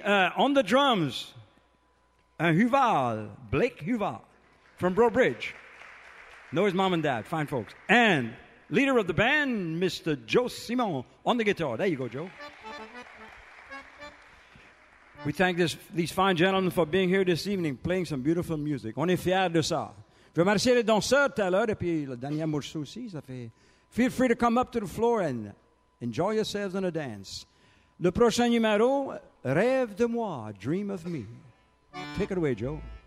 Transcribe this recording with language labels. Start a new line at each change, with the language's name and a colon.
English: On the drums, Huval, Blake Huval from Bro Bridge. Know his mom and dad. Fine folks. And leader of the band, Mr. Joe Simon on the guitar. There you go, Joe. We thank these fine gentlemen for being here this evening, playing some beautiful music.
French: On est fiers de ça. Je remercie les danseurs tout à l'heure, et puis le dernier morceau aussi, ça fait...
English: Feel free to come up to the floor and enjoy yourselves on a dance.
French: Le prochain numéro, Rêve de moi, Dream of Me.
English: Take it away, Joe.